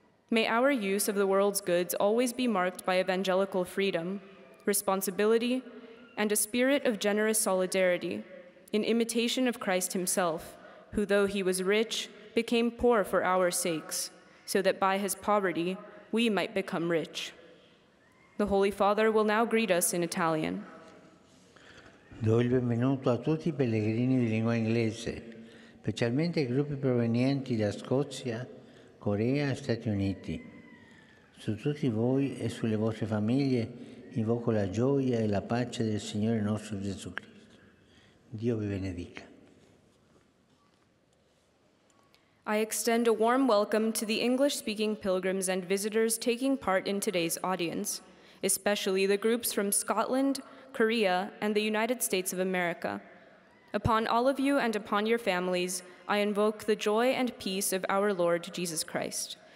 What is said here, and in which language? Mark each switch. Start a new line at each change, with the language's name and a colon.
English: May our use of the world's goods always be marked by evangelical freedom, responsibility, and a spirit of generous solidarity, in imitation of Christ himself, who, though he was rich, became poor for our sakes, so that by his poverty we might become rich. The Holy Father will now greet us in Italian.
Italian: Do il benvenuto a tutti i pellegrini di lingua inglese, specialmente i gruppi provenienti da Scozia, Corea e Stati Uniti. Su tutti voi e sulle vostre famiglie invoco la gioia e la pace del Signore nostro Gesù Cristo. Dio vi benedica.
English: I extend a warm welcome to the English-speaking pilgrims and visitors taking part in today's audience, especially the groups from Scotland, Korea, and the United States of America. Upon all of you and upon your families, I invoke the joy and peace of our Lord Jesus Christ.